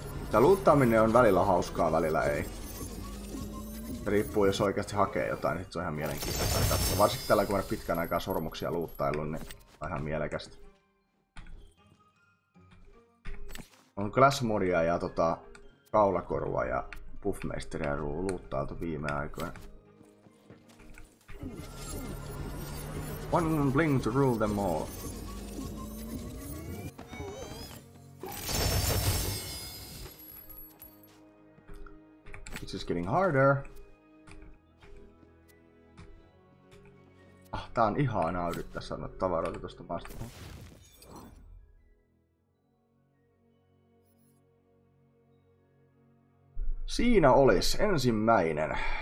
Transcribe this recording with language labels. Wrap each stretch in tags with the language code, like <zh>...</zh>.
<fi>Tää luuttaaminen on välillä hauskaa, välillä ei. Riippuu, jos oikeasti hakee jotain, niin se on ihan mielenkiintoista katsoa. Varsinkin tällä, kun on pitkän aikaa sormuksia luuttaillut, niin on ihan mielekästä. On class modia ja tota, kaulakorua ja buffmeisteriä luuttailtu viime aikoina.</fi> <en>One bling to rule them all. It's just getting harder.</en> <fi>Tää on ihanaa yrittää saada tavaroita tosta maasta. Siinä olis ensimmäinen.</fi>